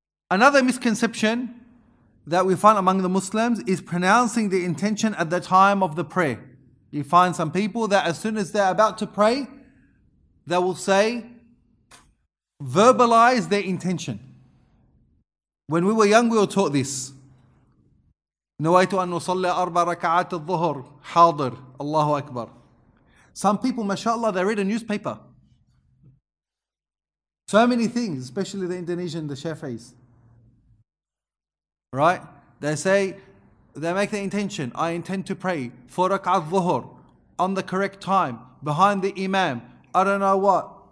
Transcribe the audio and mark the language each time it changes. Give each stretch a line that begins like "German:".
English: Another misconception that we find among the Muslims is pronouncing the intention at the time of the prayer. You find some people that as soon as they're about to pray, they will say, verbalize their intention. When we were young, we were taught this.
Arabic: نويت أن أصلي أربع ركعات الظهر حاضر الله أكبر.
English: Some people, mashallah, they read a newspaper. So many things, especially the Indonesian, the Shafi'is. Right? They say, they make the intention, I intend to pray for rak'at dhuhr on the correct time, behind the imam, I don't know what.